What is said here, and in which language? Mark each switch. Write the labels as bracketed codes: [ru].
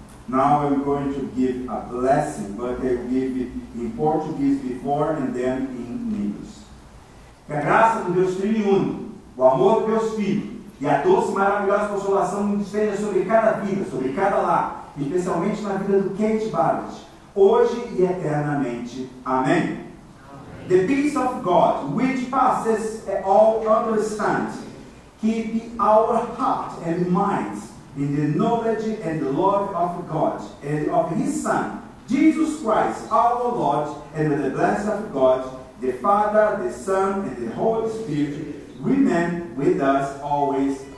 [en] Now I'm going to give a blessing, but I will give it in Portuguese before and then in English. [pt] Que a graça do Deus triune, o amor do Deus filho, e a doce e maravilhosa consolação esteja sobre cada vida, sobre cada lar, especialmente na vida do Kate Barrett, hoje e eternamente. Amém. [en] The peace of God, which passes all understanding, keep our heart and minds in the knowledge and the love of God and of His Son, Jesus Christ, our Lord, and the blessing of God, the Father, the Son, and the Holy Spirit, remain with us always.